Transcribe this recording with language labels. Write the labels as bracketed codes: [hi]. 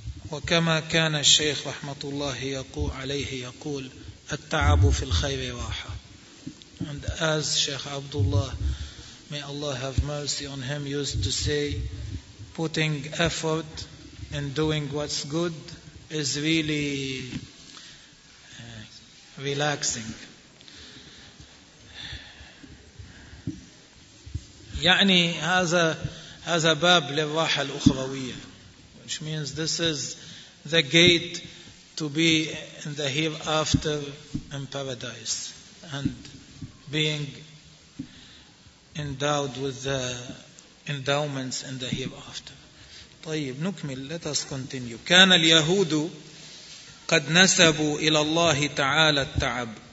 [ar] وكما كان الشيخ رحمة الله يقول عليه يقول التعب في الخير راحة. [en] And as Sheikh Abdullah, may Allah have mercy on him, used to say, putting effort in doing what's good is really relaxing. [ar] يعني هذا باب للراحة الأخروية. [en] Which means this is the gate to be in the hereafter in paradise and being endowed with the endowments in the hereafter. [ar] طيب نكمل. [en] Let us continue. [ar] كان اليهود قد نسبوا إلى الله تعالى التعب.